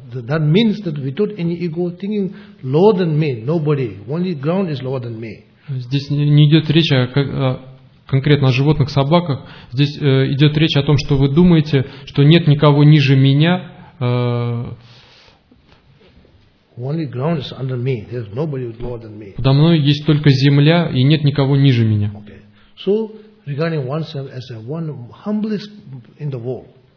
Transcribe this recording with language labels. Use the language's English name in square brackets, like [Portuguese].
[English] That means that without any ego, thinking lower than me, nobody. Only ground is lower than me. [Russian] Здесь не идет речь конкретно о животных, собаках. Здесь идет речь о том, что вы думаете, что нет никого ниже меня. [English] Only ground is under me. There's nobody lower than me. [Russian] Подо мной есть только земля, и нет никого ниже меня. [English] Okay. So regarding oneself as a one humblest in the world.